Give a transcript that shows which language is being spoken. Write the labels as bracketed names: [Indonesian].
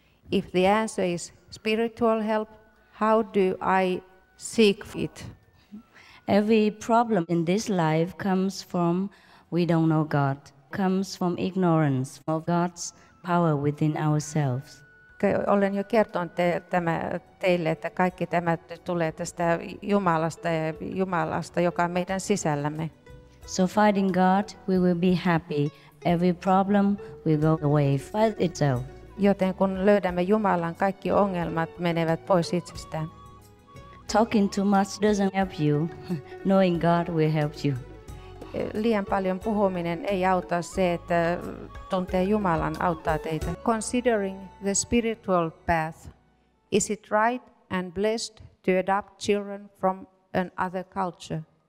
[English] If the answer is spiritual help, how do I seek it? Every problem in this life comes from we don't know God, comes from ignorance of God's power within ourselves. [Finnish] Olen jo kertonut teille, että kaikki tämä tulee tästä Jumalasta ja Jumalasta, joka on meidän sisällämme. [English] So fighting God, we will be happy. Every problem will go away. Fight itself. [Finnish] Joten kun löydämme Jumalan, kaikki ongelmat menevät pois itsestään. [English] Talking too much doesn't help you. Knowing God will help you. [Finnish] Liian paljon puhuminen ei auta, se, että tuntee Jumalan auttaa teitä. [English] Considering the spiritual path, is it right and blessed to adopt children from another culture?